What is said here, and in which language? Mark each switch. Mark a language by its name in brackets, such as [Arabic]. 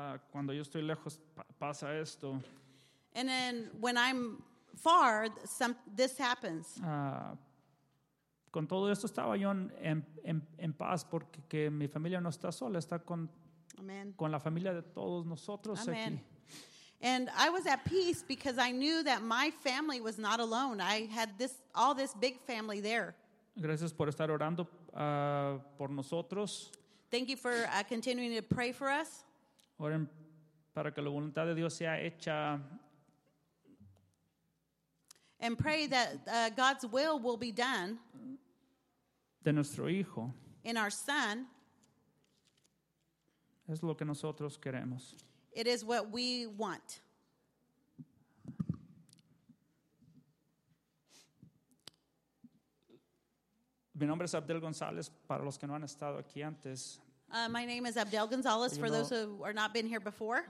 [Spanish] Cuando yo estoy lejos, pasa esto. [English] And then when I'm far, this happens. [Spanish] Con todo esto estaba yo en paz porque que mi familia no está sola, está con la familia de todos nosotros. [English] Amen. [Spanish] Aquí. [English] And I was at peace because I knew that my family was not alone. I had all this big family there. [Spanish] Gracias por estar orando por nosotros. [English] Thank you for continuing to pray for us. [Spanish] Oren para que la voluntad de Dios sea hecha. [English] And pray that God's will be done. [Spanish] De nuestro hijo. [English] In our son. [Spanish] Es lo que nosotros queremos. [English] It is what we want. [Spanish] Mi nombre es Abdel González, para los que no han estado aquí antes. [English] My name is Abdel González, for those who are not been here before.